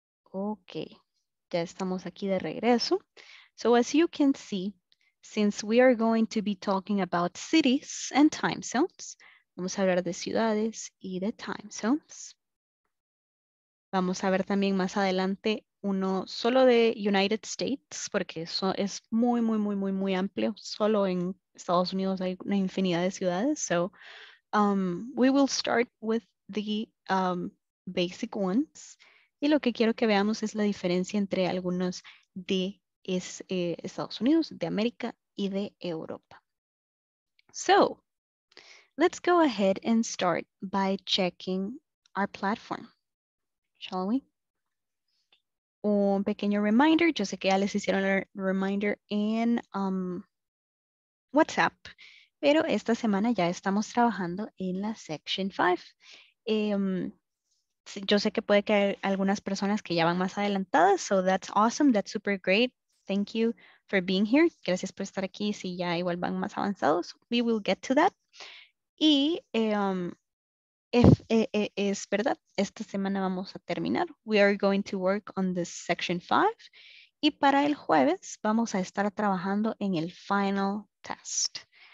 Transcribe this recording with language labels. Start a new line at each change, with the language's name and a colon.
Spanish: Ok, ya estamos aquí de regreso.
English: So as you can see, since we are going to be talking about cities and time zones,
Spanish: vamos a hablar de ciudades y de time zones. Vamos a ver también más adelante uno solo de United States, porque eso es muy, muy, muy, muy, muy amplio. Solo en Estados Unidos hay una infinidad de ciudades.
English: So we will start with the basic ones.
Spanish: Y lo que quiero que veamos es la diferencia entre algunos de Estados Unidos, de América y de Europa.
English: So let's go ahead and start by checking our platform, shall we?
Spanish: Un pequeño reminder, yo sé que ya les hicieron el reminder en WhatsApp, pero esta semana ya estamos trabajando en la Section 5. Yo sé que puede que hay algunas personas que ya van más adelantadas,
English: so that's awesome, that's super great. Thank you for being here.
Spanish: Gracias por estar aquí. Si ya igual van más avanzados,
English: we will get to that.
Spanish: Y es verdad, esta semana vamos a terminar.
English: We are going to work on this section 5.
Spanish: Y para el jueves vamos a estar trabajando en el final test.